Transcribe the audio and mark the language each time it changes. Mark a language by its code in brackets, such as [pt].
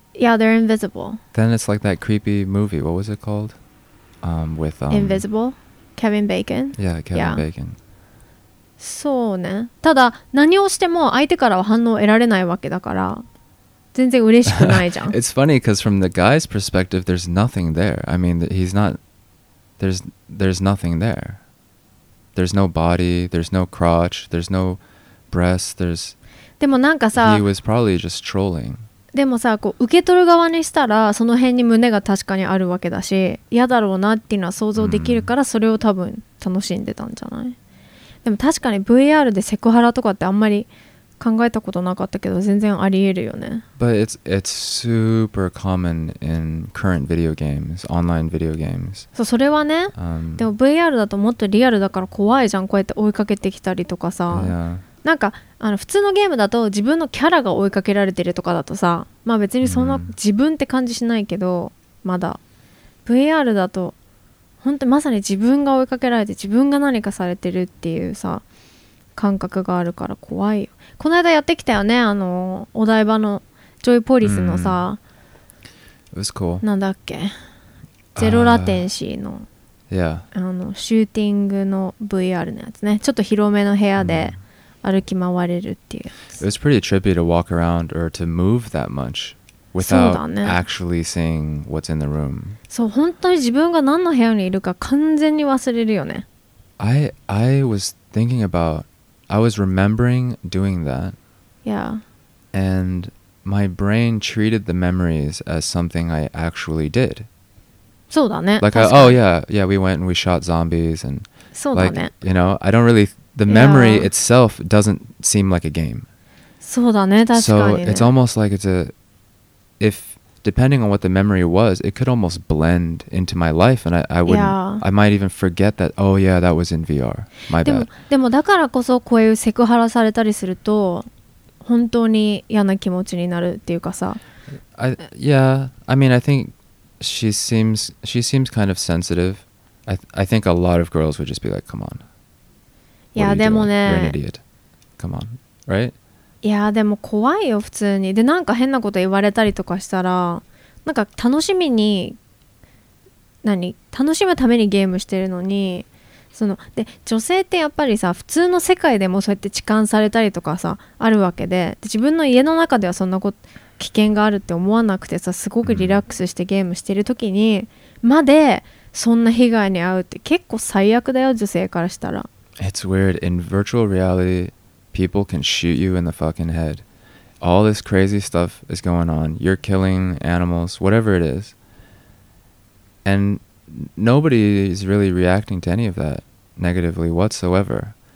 [en] Yeah, they're invisible. Then it's like that creepy movie. What was it called? Invisible. Kevin Bacon. Yeah, Kevin yeah. Bacon. [ja] そうね。ただ何をしても相手からは反応を得られないわけだから、全然嬉しくないじゃん。 [en] It's funny because from the guy's perspective, there's nothing there. I mean, he's not. There's nothing there. There's no body. There's no crotch. There's no breasts. There's. [ja] でもなんかさ、 [en] he was probably just trolling. [ja] でもさ、こう受け取る側にしたらその辺に胸が確かにあるわけだし、嫌だろうなっていうのは想像できるから、それを多分楽しんでたんじゃない。でも確かに VR でセクハラとかってあんまり考えたことなかったけど、全然ありえるよね。 [en] But it's super common in current video games, online video games. [ja] そう、それはね。でも VR だともっとリアルだから怖いじゃん。こうやって追いかけてきたりとかさ。 [en] Yeah. [ja] なんかあの普通のゲームだと自分のキャラが追いかけられてるとかだとさ、まあ別にそんな自分って感じしないけど、まだ VR だと。本当にまさに自分が追いかけられて自分が何かされてるっていうさ感覚があるから怖いよ。この間やってきたよね、あのお台場のジョイポリスのさ、 [en] It was cool. [ja] なんだっけ、ゼロラテンシーの、 [en] yeah. [ja] あのシューティングの VR のやつね、ちょっと広めの部屋で歩き回れるっていうやつ。 [en] It was pretty trippy to walk around or to move that much. Without、ね、actually seeing what's in the room. [ja] そう、本当に自分が何の部屋にいるか完全に忘れるよね。 [en] I was thinking about, I was remembering doing that. Yeah. And my brain treated the memories as something I actually did. [ja] そうだね。 [en] Like, oh yeah, yeah, we went and we shot zombies and [ja] そうだね。 [en] Like, you know, I don't really, the memory、yeah. itself doesn't seem like a game. [ja] そうだね、確かにね。 [en] So it's almost like it's a,If, depending on what the memory was, it could almost blend into my life and I wouldn't,、yeah. I might even forget that, oh yeah, that was in VR. My bad. [ja] でもだからこそこういうセクハラされたりすると本当に嫌な気持ちになるっていうかさ。 [en] Yeah, I mean, I think she seems kind of sensitive. I think a lot of girls would just be like, come on. Yeah, [ja] でもね。 [en] You're an idiot. Come on, right? [ja] いやでも怖いよ普通に。でなんか変なこと言われたりとかしたら、なんか楽しみに、何、楽しむためにゲームしてるのに、そので女性ってやっぱりさ、普通の世界でもそうやって痴漢されたりとかさあるわけ で自分の家の中ではそんなこと危険があるって思わなくてさ、すごくリラックスしてゲームしてる時にまでそんな被害に遭うって結構最悪だよ女性からしたら。 [en] It's weird in virtual realityPeople can shoot you in the fucking head. All this crazy stuff is going on. You're killing animals, whatever it is. And nobody is really reacting to any of that negatively whatsoever.